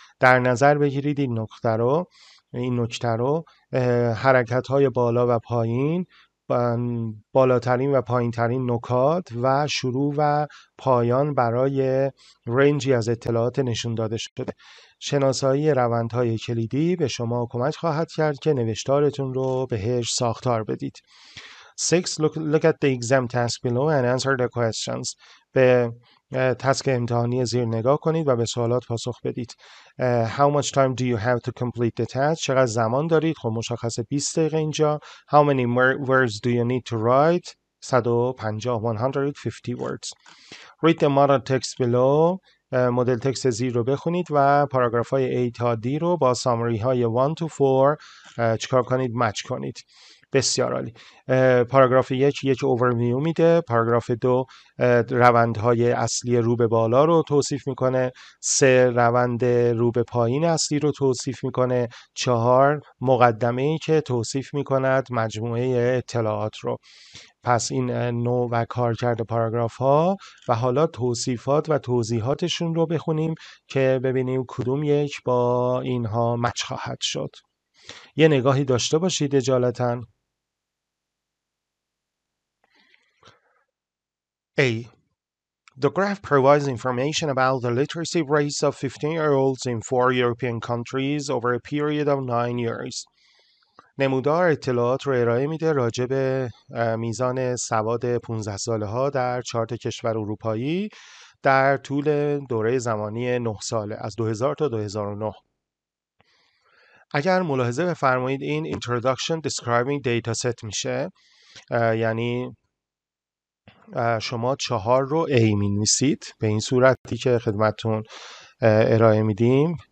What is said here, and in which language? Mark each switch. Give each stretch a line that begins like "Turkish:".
Persian: در نظر بگیرید این نکته رو، حرکت های بالا و پایین، بالاترین و پایین ترین نکات و شروع و پایان برای رنجی از اطلاعات نشون داده شده. شناسایی روندهای کلیدی به شما کمک خواهد کرد که نوشتارتون رو بهش ساختار بدید. 6.
English: Look at the exam task below and answer the questions.
Persian: به تسک امتحانی زیر نگاه کنید و به سوالات پاسخ بدید.
English: How much time do you have to complete the task?
Persian: چقدر زمان دارید؟ خب مشخصه 20 دقیقه اینجا.
English: How many words do you need to write? 150 words. Read the model text below.
Persian: مدل تکست زیر رو بخونید و پاراگراف های A تا D رو با سامری های 1 تا 4 چکار کنید؟ مچ کنید. بسیار عالی. پاراگراف 1 یک اوورویو میده، پاراگراف 2 روندهای اصلی رو به بالا رو توصیف میکنه، 3 روند رو به پایین اصلی رو توصیف میکنه، 4 مقدمه ای که توصیف میکند مجموعه اطلاعات رو. پس این نوع و کارکرد پاراگراف ها، و حالا توصیفات و توضیحاتشون رو بخونیم که ببینیم کدوم یک با اینها مچ خواهد شد. یه نگاهی داشته باشید اجالتاً. A.
English: The graph provides information about the literacy rates of 15-year-olds in 4 European countries over a period of 9 years.
Persian: نمودار اطلاعات رو ارائه میده راجع به میزان سواد 15 ساله ها در 4 کشور اروپایی در طول دوره زمانی 9 ساله از 2000 تا 2009. اگر ملاحظه بفرمایید این
English: introduction describing data set
Persian: میشه، یعنی شما 4 رو A می نویسید به این صورتی که خدمتون ارائه میدیم.